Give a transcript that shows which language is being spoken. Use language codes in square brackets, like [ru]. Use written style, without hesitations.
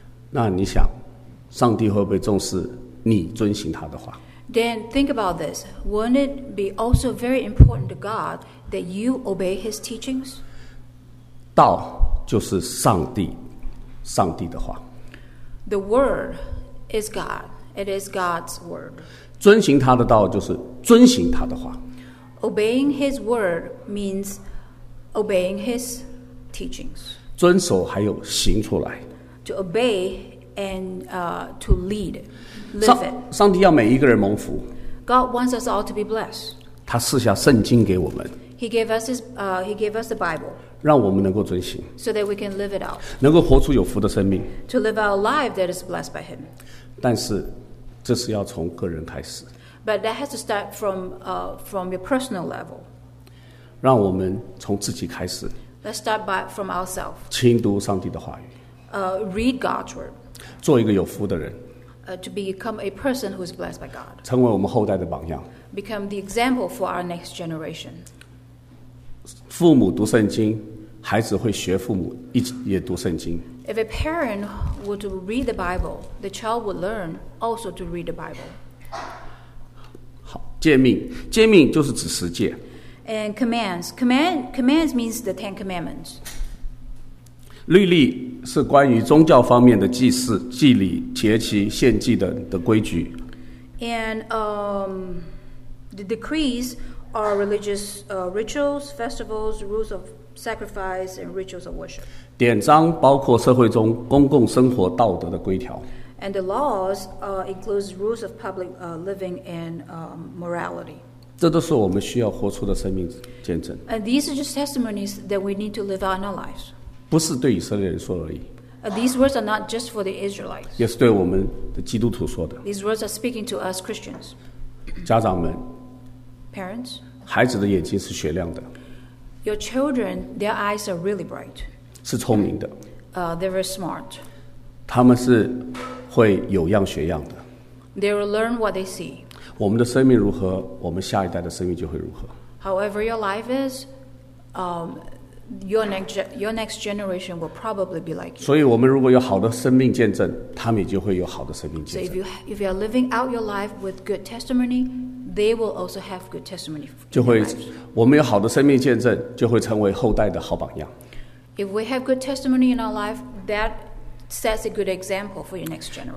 [zh] 那你想上帝会不会重视你遵行他的话？ [en] Then think about this. Wouldn't it be also very important to God that you obey his teachings? [zh] 道就是上帝，上帝的话。 [en] The word is God. It is God's word. [zh] 遵行他的道就是遵行他的话。 [en] Obeying his word means obeying his teachings. [zh] 遵守还有行出来。 [en] To obey and to lead, live it. [zh] 上帝要每一个人蒙福。 [en] God wants us all to be blessed. [zh] 他赐下圣经给我们。 [en] He gave us his, he gave us the Bible. [zh] 让我们能够遵行， [en] so that we can live it out, [zh] 能够活出有福的生命， [en] to live our life that is blessed by him. [zh] 但是这是要从个人开始， [en] but that has to start from, from your personal level. [zh] 让我们从自己开始， [en] let's start by, from ourselves. [zh] 亲读上帝的话语， [en] read God's word. [zh] 做一个有福的人， [en] to become a person who is blessed by God. [zh] 成为我们后代的榜样， [en] become the example for our next generation. [zh] 父母读圣经，孩子会学父母一也读圣经。 [en] If a parent were to read the Bible, the child would learn also to read the Bible. [zh] 好，诫命，诫命就是指十诫。 [en] And commands, commands means the Ten Commandments. [zh] 律例是关于宗教方面的祭祀、祭礼、节期、献祭的规矩。 [en] And the decrees. Are religious rituals, festivals, rules of sacrifice, and rituals of worship. [zh] 典章包括社会中公共生活道德的规条。 [en] And the laws includes rules of public living and morality. [zh] 这都是我们需要活出的生命见证。 [en] And these are just testimonies that we need to live out in our lives. [zh] 不是对以色列人说而已。 [en] These words are not just for the Israelites. [zh] 也是对我们的基督徒说的。 [en] These words are speaking to us Christians. [zh] 家长们。 [en] Parents, [zh] 孩子的眼睛是雪亮的。 [en] Your children, their eyes are really bright. [zh] 是聪明的。 [en] They're very smart. [zh] 他们是会有样学样的。 [en] They will learn what they see. [zh] 我们的生命如何，我们下一代的生命就会如何。 [en] However your life is, your next generation will probably be like you. [zh] 所以我们如果有好的生命见证，他们也就会有好的生命见证。 [en] So if you are living out your life with good testimony,They will also have good testimony. [zh] 就会，我们有好的生命见证，就会成为后代的好榜样。 [en] If we have good testimony in our life, that sets a good example for your next generation.